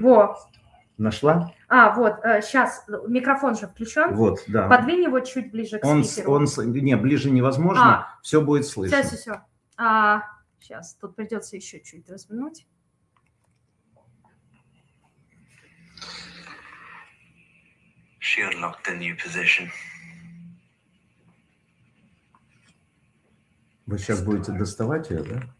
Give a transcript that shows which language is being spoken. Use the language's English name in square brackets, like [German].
[Russian] Во. Нашла? А, вот, сейчас, микрофон же включен. Вот, да. Подвинь его чуть ближе к спикеру. Ближе невозможно, все будет слышно. Все. Сейчас, тут придется еще чуть развернуть. [English] She unlocked the new position. [Russian] Вы сейчас будете доставать ее, да?